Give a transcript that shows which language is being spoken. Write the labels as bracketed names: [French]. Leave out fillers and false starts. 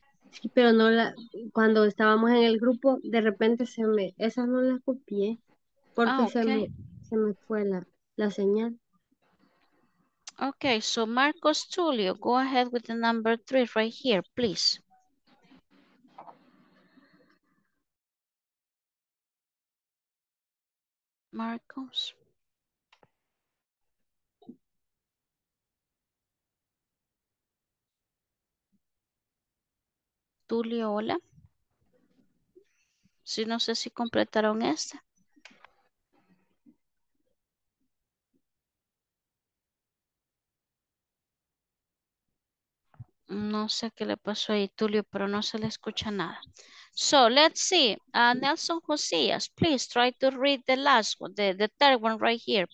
[Spanish] Sí, pero no la, cuando estábamos en el grupo, de repente se me, esa no la copié, porque okay. se me fue la señal. [English] Okay, so Marcos Tulio, go ahead with the number three right here, please. Marcos. [Spanish] Tulio, hola. Sí, no sé si completaron esta. No sé qué le pasó ahí, Tulio, pero no se le escucha nada. [English] So, let's see. Nelson Josias, please try to read the last one, the third one right here.